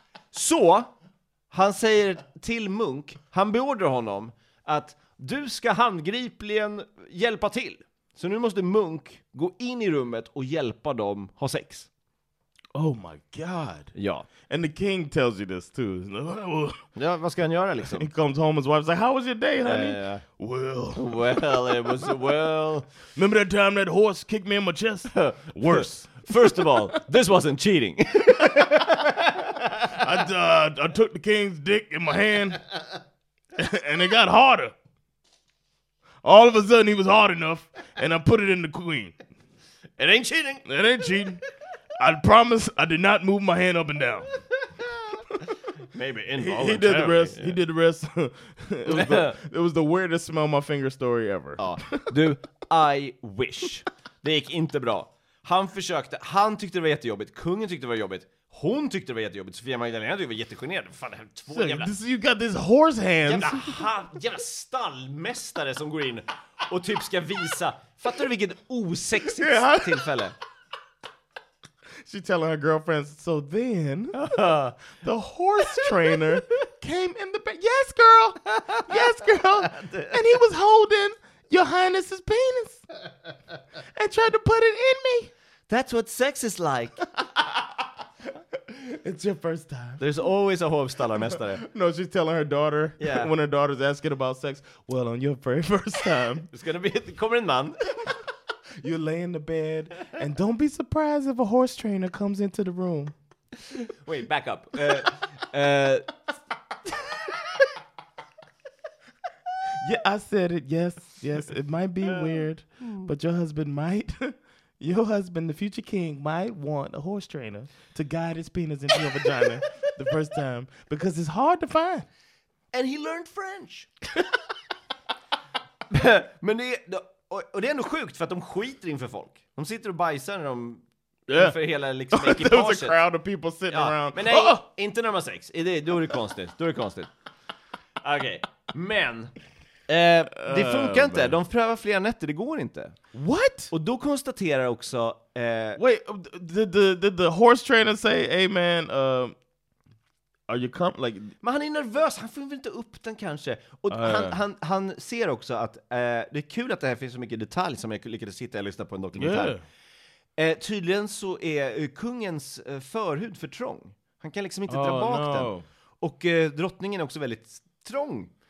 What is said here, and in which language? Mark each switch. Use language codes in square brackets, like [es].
[sv] Så, han säger till Munk, han beordrar honom att du ska handgripligen hjälpa till. Så nu måste Munk gå in i rummet och hjälpa dem ha sex. [en] Oh my god. [sv] Ja. [en] And the king tells you this too. [sv] Ja, vad ska han göra liksom? [en] He comes home, his wife's like, how was your day, honey? Well, it was well. Remember that time that horse kicked me in my chest? Worse. First of all, this wasn't cheating. I took the king's dick in my hand and it got harder. All of a sudden he was hard enough and I put it in the queen. It ain't cheating. It ain't cheating. I promise I did not move my hand up and down. Maybe involuntarily. He did the rest. Yeah. He did the rest. It was the weirdest smell my finger story ever. Dude, I wish. [sv] Det gick inte bra. Han försökte. Han tyckte det var jättejobbigt. Kungen tyckte det var jobbigt. Hon tyckte det var jättejobbigt. Sofia Magdalena tyckte det var jättegenerad. Fan, det här två so, jävla... [en] This, you got this horse hands. [sv] Jävla stallmästare som går in och typ ska visa. Fattar du vilket osexigt tillfälle? [en] She telling her girlfriends, so then the horse trainer came in the back. Yes, girl. Yes, girl. And he was holding your highness's penis and tried to put it in me. That's what sex is like. It's your first time. There's always a horse stallar mästare. No, she's telling her daughter when her daughter's asking about sex. Well, on your very first time. It's going to be the coming man. You lay in the bed, and don't be surprised if a horse trainer comes into the room. Wait, back up. I said it. Yes, it might be weird, but your husband, the future king, might want a horse trainer to guide his penis into your vagina the first time, because it's hard to find. And he learned French. [sv] Men det... Och det är ändå sjukt för att de skiter inför folk. De sitter och bajsar när de inför hela liksom ekipaget. [en] There was a crowd of people sitting around. [sv] Men nej, inte när man sex. Då är det konstigt. Okej, okay. Men det funkar inte. De prövar flera nätter, det går inte. [en] What? [sv] Och då konstaterar också [en] Wait, did the horse trainer say, hey man, are you coming? Like, [sv] men han är nervös, han får inte upp den kanske. Och han ser också att det är kul att det här finns så mycket detalj som jag lyckades sitta och lyssna på en dokumentär. Yeah. Tydligen så är kungens förhud för trång. Han kan liksom inte dra bak den. Och drottningen är också väldigt trång.